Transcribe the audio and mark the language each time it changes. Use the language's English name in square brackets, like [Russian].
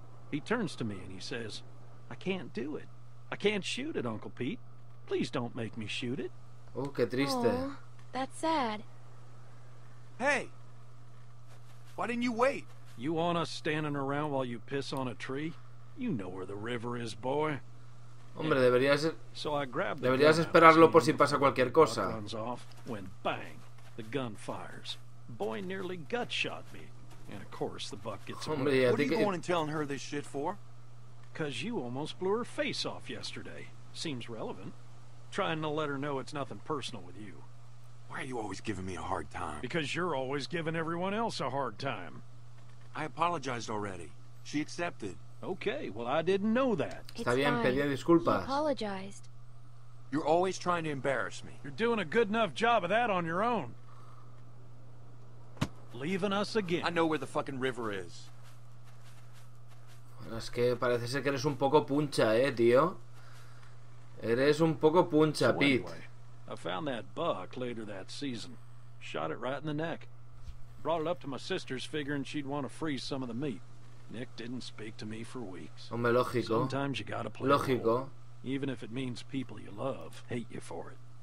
[English] He turns to me and he says, "I can't do it. I can't shoot it, Uncle Pete. Please don't make me shoot it." [Spanish] Oh, qué triste. [English] Aww, that's sad. Hey, why didn't you wait? You want us standing around while you piss on a tree? You know where the river is, boy. [Spanish] Hombre, deberías esperarlo por si pasa cualquier cosa. [English] Runs off when bang, the gun fires. Boy nearly gut shot me, and of course the buck gets. [Spanish] Hombre, ya, [English] what are you going and telling her this shit for? Cause you almost blew her face off yesterday. Seems relevant. Trying to let her know it's nothing personal with you. Why are you always giving me a hard time? Because you're always giving everyone else a hard time. I apologized already. She accepted. Okay, well I didn't know that. [Spanish] Está bien, pedí disculpas. [English] You apologized. You're always trying to embarrass me. You're doing a good enough job of that on your own. Leaving us again. I know where the fucking river is. [Spanish] Bueno, es que parece ser que eres un poco puncha, tío. Eres un poco puncha, Pete. [English] So anyway, I found that buck later that season. Shot it right in the neck. Brought it up to my sister's, figuring she'd want to freeze some of the meat. Nick didn't speak to me for weeks. [Spanish] Hombre, lógico. [English] Sometimes you gotta play. [Spanish] Lógico. [English] Even if it means people you love hate you for it.